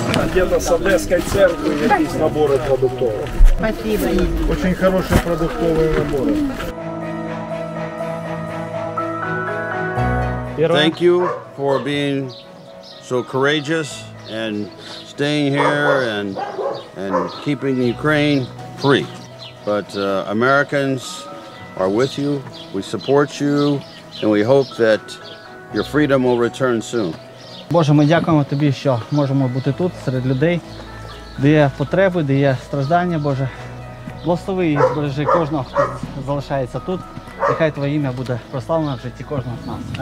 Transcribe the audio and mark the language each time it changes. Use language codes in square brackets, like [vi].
[ru] Где-то с Одесской церкви есть наборы продуктовые. Спасибо. Очень хорошие продуктовые наборы. [en] Thank you for being so courageous and staying here and keeping Ukraine free. But Americans are with you, we support you, and we hope that your freedom will return soon. [uk] Боже, ми дякуємо тобі, що можемо бути тут серед людей, де є потреби, де є страждання, Боже. Благослови і збережи кожного, хто залишається тут. Нехай твоє ім'я буде прославлено в житті кожного з нас.